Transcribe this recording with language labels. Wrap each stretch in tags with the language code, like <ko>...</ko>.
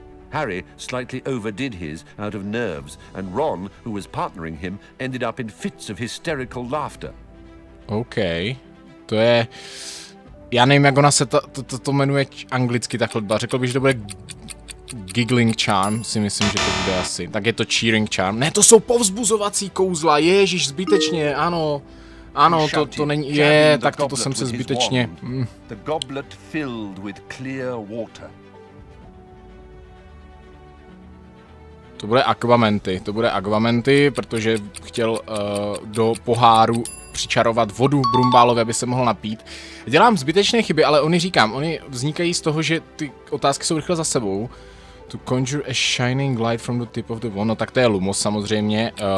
<en>Harry slightly overdid his out of nerves and Ron, who was partnering him, ended up in fits of hysterical laughter. Okay.</en> <cs>To je, já nevím, jak ona se to jmenuje anglicky ta chlodba. Řekl bych, že to bude giggling charm, si myslím, že to bude asi. Tak je to cheering charm. Ne, to jsou povzbuzovací kouzla. Ježíš, zbytečně. Ano. Ano, to není, je, tak to jsem se zbytečně.</cs> <en>The goblet filled with clear water.</en> <cs>To bude aquamenty, protože chtěl do poháru přičarovat vodu Brumbálovi, aby se mohl napít. Dělám zbytečné chyby, ale oni vznikají z toho, že ty otázky jsou rychle za sebou.</cs> <en>To conjure a shining light from the tip of the wand,</en> <cs>no tak to je Lumos samozřejmě.</cs>